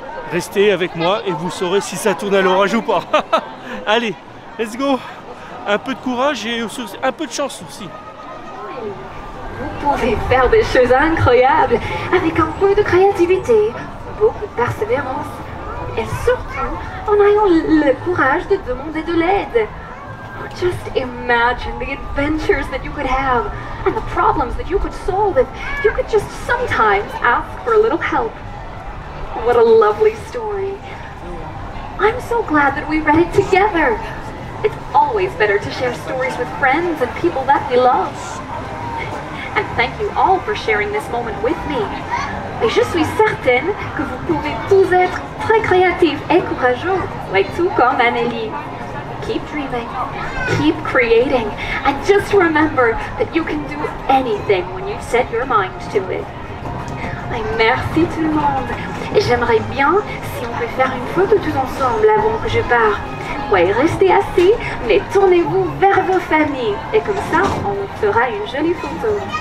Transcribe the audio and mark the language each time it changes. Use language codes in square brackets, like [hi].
[fr] Restez avec moi et vous saurez si ça tourne à l'orage ou pas. Allez, [en] let's go. [fr] Un peu de courage et un peu de chance aussi. Vous pouvez faire des choses incroyables avec un peu de créativité, beaucoup de persévérance et surtout en ayant le courage de demander de l'aide. [en] Just imagine the adventures that you could have and the problems that you could solve if you could just sometimes ask for a little help. What a lovely story. I'm so glad that we read it together. It's always better to share stories with friends and people that we love. And thank you all for sharing this moment with me. [fr] Et je suis certaine que vous pouvez tous être très créatifs et courageux, like tout comme Annelie. [en] Keep dreaming, keep creating, and just remember that you can do anything when you set your mind to it. [fr] Et merci tout le monde. Et j'aimerais bien si on peut faire une photo tous ensemble avant que je pars. Ouais, restez assis, mais tournez-vous vers vos familles. Et comme ça, on fera une jolie photo.